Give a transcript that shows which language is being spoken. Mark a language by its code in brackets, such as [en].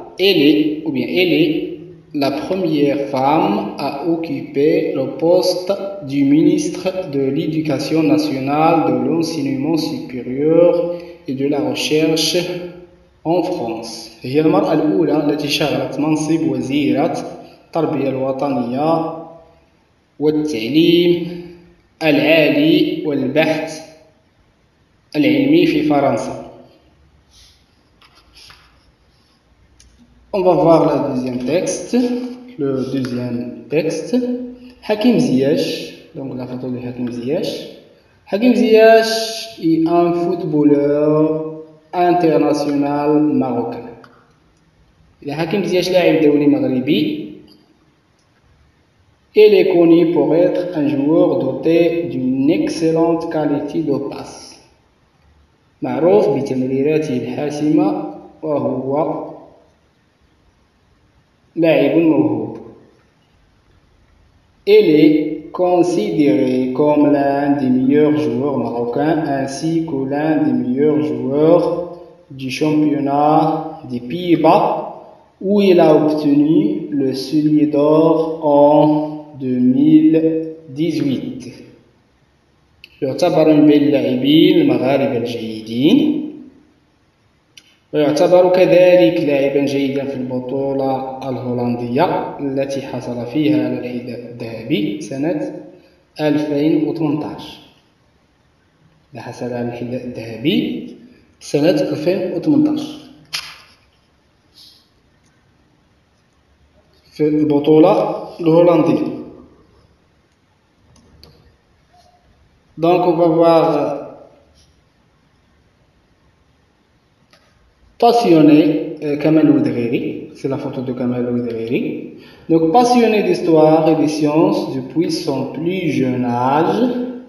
[fr] Elle est la première femme à occuper le poste du ministre de l'éducation nationale de l'enseignement supérieur et de la recherche en France. [ar] هي المرأة الأولى التي شغلت منصب وزيرة التربية الوطنية والتعليم العالي والبحث العلمي في فرنسا. [fr] On va voir le deuxième texte. Le deuxième texte. Hakim Ziyech. Donc la photo de Hakim Ziyech. Hakim Ziyech est un footballeur international marocain. Le Hakim Ziyech est un joueur maghrébi. Il est connu pour être un joueur doté d'une excellente qualité de passe. [ar] معروف بتمريراته الحاسمة وهو لاعب موهوب. [fr] Il est considéré comme l'un des meilleurs joueurs marocains ainsi que l'un des meilleurs joueurs du championnat des Pays-Bas où il a obtenu le soulier d'or en 2018. [ar] يعتبر من بين اللاعبين المغاربة الجيدين ويعتبر كذلك لاعبا جيدا في البطولة الهولندية التي حصل فيها على الحذاء الذهبي سنة 2018. حصل على الحذاء الذهبي سنة 2018 في البطولة الهولندية. [fr] Donc on va voir passionné Kamel Oudrehri, c'est la photo de Kamel Oudrehri. Donc passionné d'histoire et des sciences depuis son plus jeune âge.